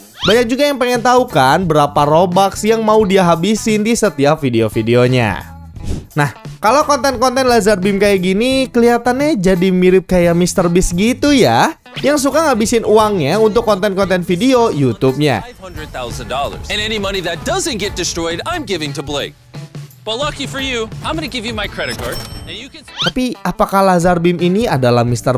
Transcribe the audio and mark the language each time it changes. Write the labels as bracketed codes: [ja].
[id] Banyak juga yang pengen tahu kan berapa Robux yang mau dia habisin di setiap video-videonya. Nah, kalau konten-konten Lazar Beam kayak gini, kelihatannya jadi mirip kayak Mr. Beast gitu ya, yang suka ngabisin uangnya untuk konten-konten video YouTube-nya. [en] And any money that doesn't get destroyed, I'm giving to Blake. But lucky for you, I'm gonna give you my credit card. [id] Tapi apakah Lazar Beam ini adalah Mr.